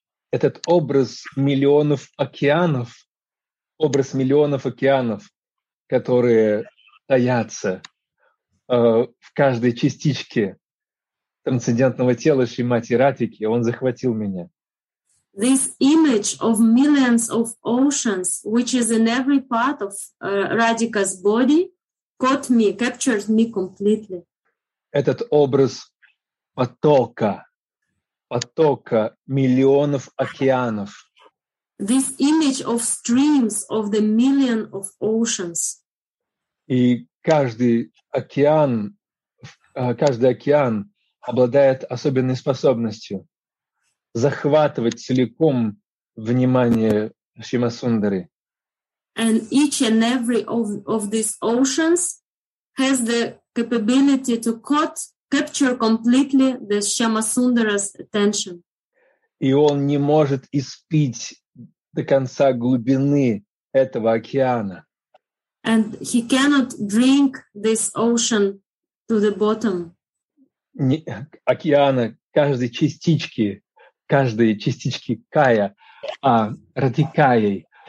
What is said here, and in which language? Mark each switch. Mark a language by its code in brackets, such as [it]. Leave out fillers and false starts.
[ru] Этот образ миллионов океанов, образ миллионов океанов, которые таятся в каждой частичке трансцендентного тела Шримати Радхики, он захватил меня. [en] This image of millions of oceans, which is in every part of Radhika's body, caught me, captured me completely. [ru] Этот образ потока. Потока миллионов океанов. [en] This image of streams of the million of oceans. [ru] И каждый океан обладает особенной способностью захватывать целиком внимание Шримасундары. [en] And each and every of these oceans has the capability to cut capture completely the Shyamasundara's attention. [ru] И он не может испить до конца глубины этого океана. [en] And he cannot drink this ocean to the bottom. [ru] океана каждой частички, каждой частички кая, радикаей.